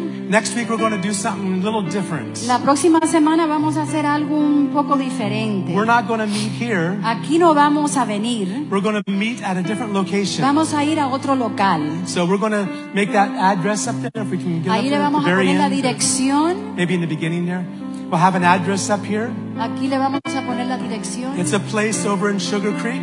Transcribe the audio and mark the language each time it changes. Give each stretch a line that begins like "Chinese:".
English: Next week we're going to do something a little different.
Spanish: La próxima semana vamos a hacer algo un poco diferente.
English: We're not going to meet here.
Spanish: Aquí no vamos a venir.
English: We're going to meet at a different location.
Spanish: Vamos a ir a otro local.
English: So we're going to make that address up there if we can get
Spanish: ahí le vamos
English: the
Spanish: a poner
English: end.
Spanish: La dirección.
English: Maybe in the beginning there. We'll have an address up here.
Spanish: Aquí le vamos a poner la dirección.
English: It's a place over in Sugar Creek.